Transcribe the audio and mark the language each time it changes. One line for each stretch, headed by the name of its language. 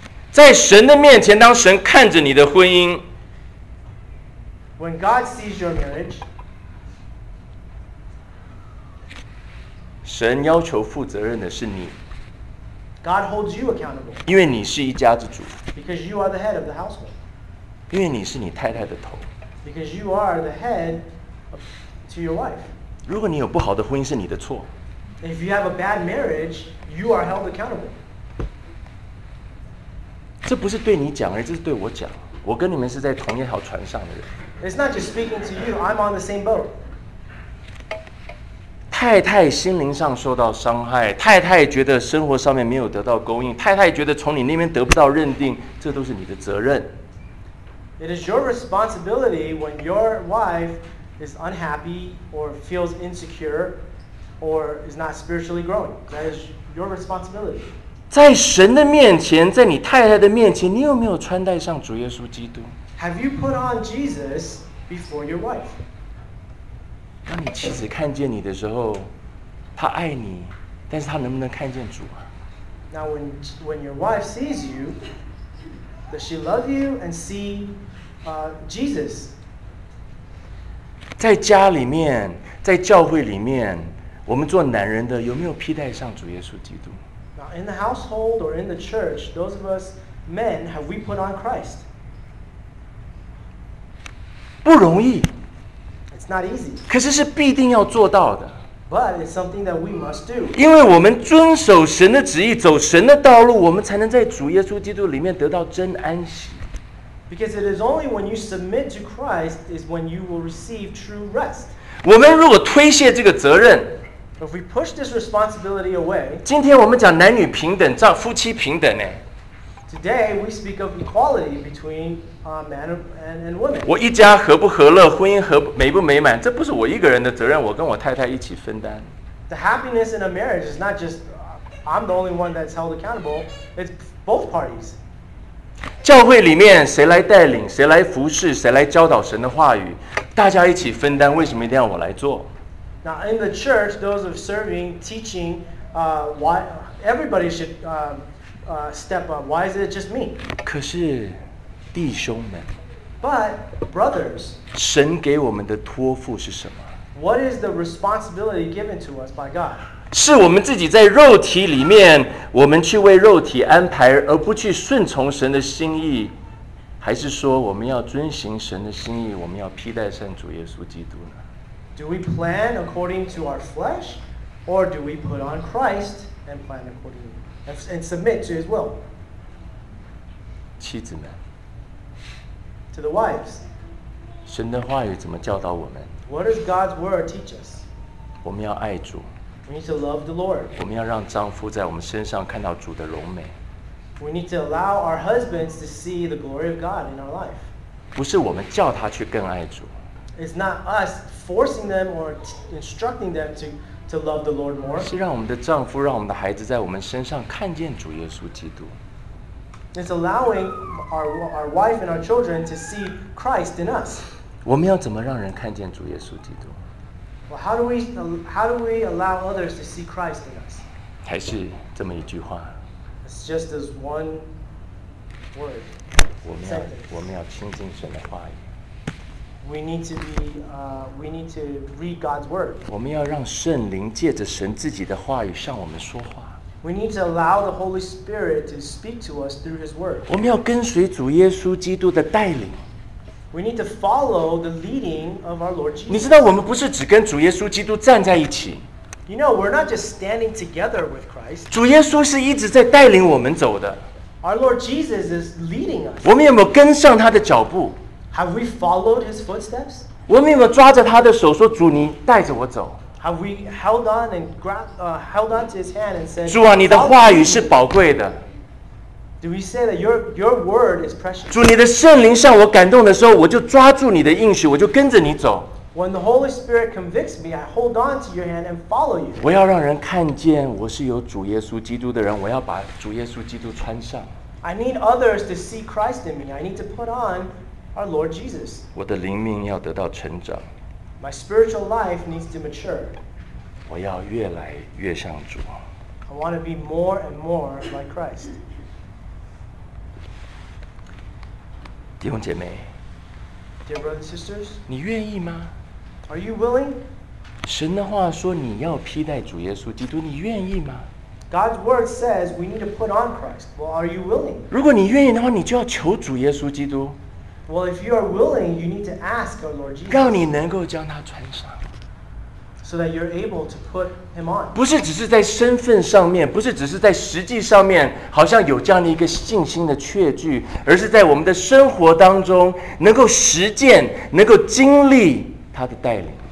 Chinese: 在神的面前，当神看着你的婚姻
English: ，When God sees your marriage.
Chinese: 神要求负责任的是你。
English: God holds you accountable.
Chinese: 因为你是一家之主。
English: Because you are the head of the household.
Chinese: 因为你是你太太的头。
English: Because you are the head to your wife.
Chinese: 如果你有不好的婚姻，是你的错。
English: If you have a bad marriage, you are held accountable.
Chinese: 这不是对你讲，而这是对我讲。我跟你们是在同一条船上的人。
English: It's not just speaking to you. I'm on the same boat.
Chinese: 太太心灵上受到伤害，太太觉得生活上面没有得到供应，太太觉得从你那边得不到认定，这都是你的责任。
English: It is your responsibility when your wife is unhappy or feels insecure or is not spiritually growing. That is your responsibility.
Chinese: 在神的面前，在你太太的面前，你有没有穿戴上主耶稣基督？
English: Have you put on Jesus before your wife?
Chinese: 当你妻子看见你的时候，她爱你，但是她能不能看见主啊？
English: Now when your wife sees you, does she love you and see Jesus?
Chinese: 在家里面，在教会里面，我们做男人的有没有披戴上主耶稣基督？
English: Now in the household or in the church, those of us men, have we put on Christ?
Chinese: 不容易。
English: It's not easy.
Chinese: 可是是必定要做到的。
English: But it's something that we must do.
Chinese: 因为我们遵守神的旨意，走神的道路，我们才能在主耶稣基督里面得到真安息。
English: Because it is only when you submit to Christ is when you will receive true rest.
Chinese: 我们如果推卸这个责任，
English: if we push this responsibility away,
Chinese: 今天我们讲男女平等，叫夫妻平等呢。
English: Today we speak of equality between men and women.
Chinese: 我一家和不和乐，婚姻和美不美满，这不是我一个人的责任，我跟我太太一起分担。
English: The happiness in a marriage is not just I'm the only one that's held accountable, it's both parties.
Chinese: 教会里面谁来带领，谁来服侍，谁来教导神的话语，大家一起分担，为什么一定要我来做？
English: Now in the church, those of serving, teaching, why everybody should step up. Why is it just me?
Chinese: 可是弟兄们，
English: But brothers,
Chinese: 神给我们的托付是什么？
English: What is the responsibility given to us by God?
Chinese: 是我们自己在肉体里面，我们去为肉体安排，而不去顺从神的心意，还是说我们要遵行神的心意，我们要披戴上主耶稣基督呢？
English: Do we plan according to our flesh, or do we put on Christ and plan accordingly? And submit to his will.
Chinese: 妻子们，
English: to the wives.
Chinese: 神的话语怎么教导我们？
English: What does God's word teach us?
Chinese: 我们要爱主。
English: We need to love the Lord.
Chinese: 我们要让丈夫在我们身上看到主的荣美。
English: We need to allow our husbands to see the glory of God in our life.
Chinese: 不是我们叫他去更爱主。
English: It's not us forcing them or instructing them to. To love the Lord more.
Chinese: 是让我们的丈夫，让我们的孩子在我们身上看见主耶稣基督。
English: It's allowing our wife and our children to see Christ in us.
Chinese: 我们要怎么让人看见主耶稣基督？
English: Well, how do we allow others to see Christ in us?
Chinese: 还是这么一句话。
English: It's just this one word.
Chinese: 我们要亲近神的话语。
English: We need to read God's word.
Chinese: 我们要让圣灵借着神自己的话语向我们说话。
English: We need to allow the Holy Spirit to speak to us through His word.
Chinese: 我们要跟随主耶稣基督的带领。
English: We need to follow the leading of our Lord Jesus.
Chinese: 你知道我们不是只跟主耶稣基督站在一起。
English: You know, we're not just standing together with Christ.
Chinese: 主耶稣是一直在带领我们走的。
English: Our Lord Jesus is leading us.
Chinese: 我们有没有跟上他的脚步？
English: Have we followed his footsteps?
Chinese: 我们有没有抓着他的手说主你带着我走？
English: Have we held on and held on to his hand and said,
Chinese: 主啊，你的话语是宝贵的。
English: Do we say that your word is precious?
Chinese: 主，你的圣灵向我感动的时候，我就抓住你的应许，我就跟着你走。
English: When the Holy Spirit convicts me, I hold on to your hand and follow you.
Chinese: 我要让人看见我是有主耶稣基督的人，我要把主耶稣基督穿上。
English: I need others to see Christ in me. I need to put on. Our Lord Jesus.
Chinese: 我的灵命要得到成长。
English: My spiritual life needs to mature.
Chinese: 我要越来越像主。
English: I want to be more and more like Christ.
Chinese: 弟兄姐妹。
English: Dear brothers and sisters.
Chinese: 你愿意吗？
English: Are you willing?
Chinese: 神的话说你要披戴主耶稣基督，你愿意吗？
English: God's word says we need to put on Christ. Well, are you willing?
Chinese: 如果你愿意的话，你就要求主耶稣基督。
English: Well, if you are willing, you need to ask our Lord Jesus.
Chinese: 让你能够将他穿上。
English: So that you're able to put him on.
Chinese: 不是只是在身份上面，不是只是在实际上面，好像有这样的一个信心的确据，而是在我们的生活当中，能够实践，能够经历他的带领。